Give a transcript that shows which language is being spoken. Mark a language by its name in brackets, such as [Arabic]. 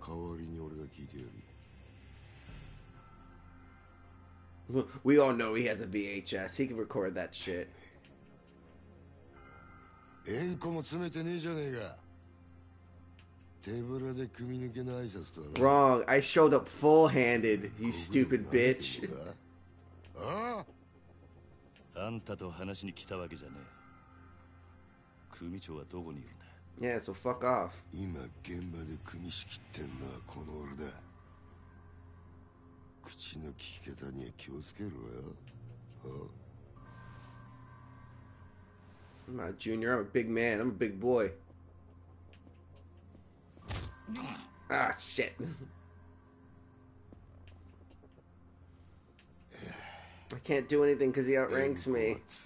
[Japanese] 代わりに俺が聞いてやる。 [English] We all know he has a VHS. He can record that shit. [Japanese] 円弧も詰めてねえじゃねえか。手ぶらで組み抜けの挨拶とはな。 [English] Wrong. I showed up full-handed, you stupid bitch. ああ。 [Japanese] あんたと話に来たわけじゃねえ。組長はどこにいるんだ。 [English] Yeah, so fuck off. [Japanese] 今現場で組み仕切ってんのはこの俺だ。口の聞き方には気をつけろよ。ああ。 [English] I'm not a junior, I'm a big man, I'm a big boy. Ah, shit. I can't do anything because he outranks me.